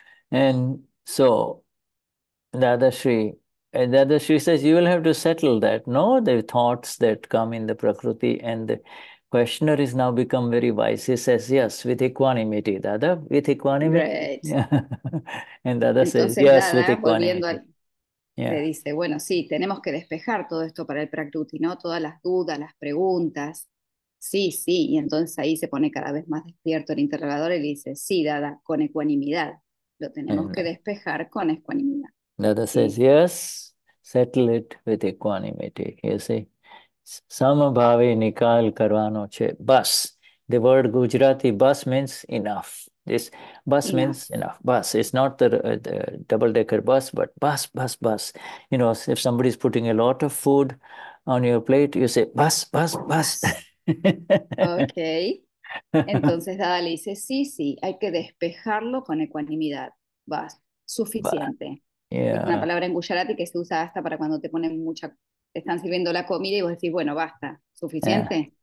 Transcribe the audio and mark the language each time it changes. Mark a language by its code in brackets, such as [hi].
[en] And so, Dadashri says, you will have to settle that. No, the thoughts that come in the prakriti, and the questioner is now become very wise. He says, yes, with equanimity, Dada, with equanimity. Right. And Dada says, yes, Dada, with equanimity. Yeah. [es] Le dice, bueno, sí, tenemos que despejar todo esto para el prakruti, ¿no? Todas las dudas, las preguntas. Sí, sí. Y entonces ahí se pone cada vez más despierto el interrogador y le dice, sí, Dada, con ecuanimidad. Lo tenemos que despejar con ecuanimidad. [en] Dada says, yes, settle it with equanimity. You see, [gu] samabhavi nikal karvano che, bas. [en] The word Gujarati, bas means enough. This bus enough. Means enough, bus. It's not the double-decker bus, but bus. You know, if somebody is putting a lot of food on your plate, you say, bus. Okay. [es] Entonces Dada le dice, sí, sí, hay que despejarlo con ecuanimidad. Bus, suficiente. [en] Yeah. [es] Es una palabra en Gujarati que se usa hasta para cuando te ponen mucha, te están sirviendo la comida y vos decís, bueno, basta, suficiente.